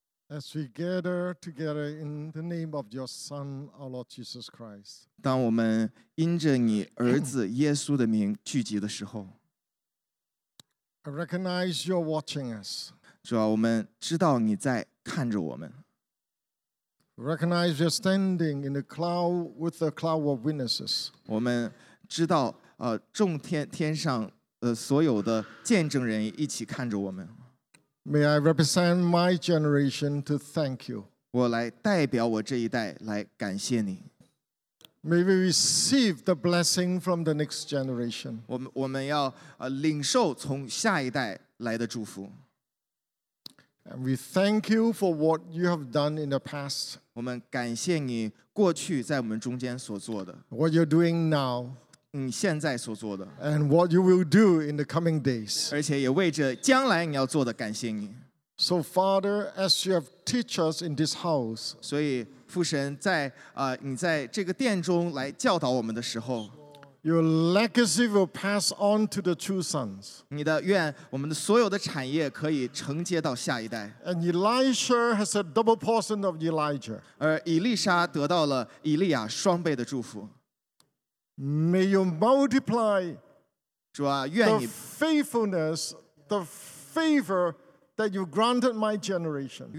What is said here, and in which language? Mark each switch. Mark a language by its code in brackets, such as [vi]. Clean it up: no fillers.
[en] As we gather together in the name of your Son, our Lord Jesus Christ. [zh] 当我们因着你儿子耶稣的名聚集的时候 [en] ，I recognize you're watching us. [zh] 主啊，我们知道你在看着我们。 [en] Recognize you're standing in the cloud with a cloud of witnesses. [zh] 我们知道，众天上所有的见证人一起看着我们。 [en] May I represent my generation to thank you. [zh] 我来代表我这一代来感谢你。 [en] May we receive the blessing from the next generation. [zh] 我们要领受从下一代来的祝福。 [en] And we thank you for what you have done in the past. [zh] 我们感谢你过去在我们中间所做的。 [en] What you're doing now. [zh] 你现在所做的 [en] and what you will do in the coming days. [zh] 而且也为着将来你要做的感谢你。 [en] So Father, as you have teach us in this house, [zh] 所以父神在你在这个殿中来教导我们的时候 [en] your legacy will pass on to the true sons. [zh] 你的愿我们的所有的产业可以承接到下一代。 [en] And Elisha has a double portion of Elijah. [zh] 而以利沙得到了以利亚双倍的祝福。 [en] May you multiply [zh] 主啊，愿你 [en] the faithfulness, the favor that you granted my generation.